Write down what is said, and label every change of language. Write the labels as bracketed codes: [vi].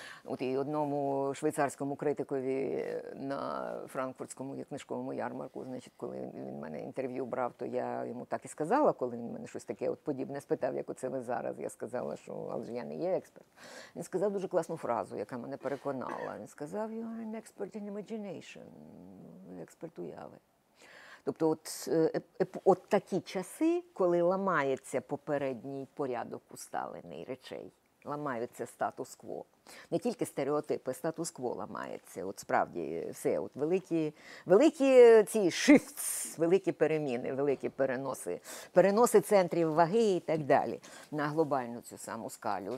[uk] От і одному швейцарському критикові на франкфуртському книжковому ярмарку, значить, коли він мене інтерв'ю брав, то я йому так і сказала, коли він мене щось таке от подібне спитав, як оце ви зараз, я сказала, що але ж я не є експерт. Він сказав дуже класну фразу, яка мене переконала. Він сказав: [en] "You are an expert in imagination", [uk] експерт уяви. Тобто от такі часи, коли ламається попередній порядок усталений речей, ламається статус-кво. Не тільки стереотипи, статус-кво ламається. От справді все, от великі ці shifts, великі переміни, великі переноси, переноси центрів ваги і так далі на глобальну цю саму скалю.